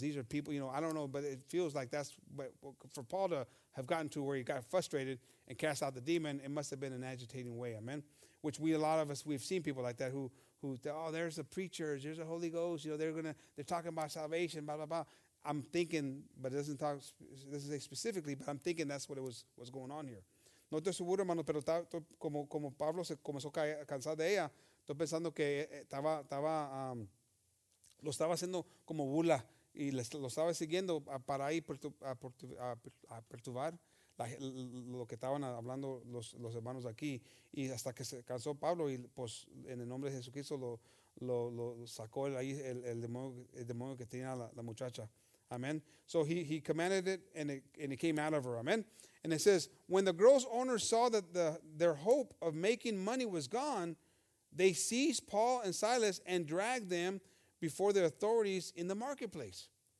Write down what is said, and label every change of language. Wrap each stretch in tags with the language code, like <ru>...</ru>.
<en>These are people, you know, I don't know, but it feels like that's for Paul to have gotten to where he got frustrated and cast out the demon. It must have been an agitating way. Amen. Which a lot of us, we've seen people like that who oh, there's the preachers. There's the Holy Ghost. You know, they're talking about salvation, blah, blah, blah. I'm thinking, but it doesn't say specifically, but I'm thinking that's what it was going on here.</en> <es>No estoy seguro, hermano, pero como Pablo se comenzó a cansar de ella, estoy pensando que estaba lo estaba haciendo como bula y lo estaba siguiendo para ahí a perturbar lo que estaban hablando los hermanos aquí. Y hasta que se cansó Pablo y pues en el nombre de Jesucristo lo sacó ahí el demonio que tenía la muchacha.</es> <en>Amen. So he commanded it and it came out of her. Amen. And it says, when the girl's owners saw that their hope of making money was gone, they seized Paul and Silas and dragged them before the authorities in the marketplace.</en>